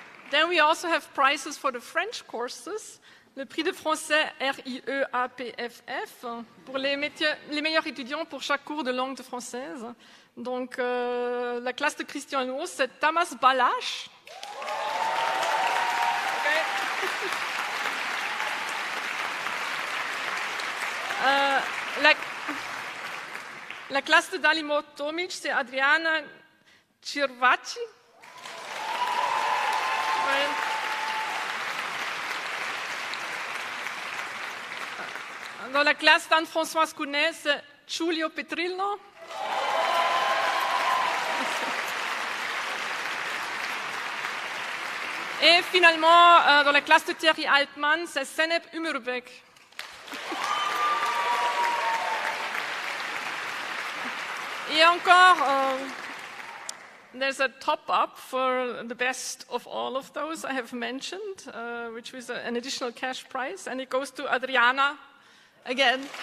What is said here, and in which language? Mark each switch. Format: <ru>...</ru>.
<en>Then we also have prizes for the French courses.</en> <fr>Le prix de français RIEAPFF pour les meilleurs étudiants pour chaque cours de langue française. Donc, la classe de Christian Lourdes, c'est Thomas Balache. Okay. La classe de Dalimo Tomic, c'est Adriana Cervacci. Dans la classe d'Anne-Françoise Cunet, c'est Giulio Petrillo. Et finalement, dans la classe de Thierry Altmann, c'est Seneb Ümerbeck. Et encore,</fr> <en>there's a top-up for the best of all of those I have mentioned, which was an additional cash prize, and it goes to Adriana again.</en>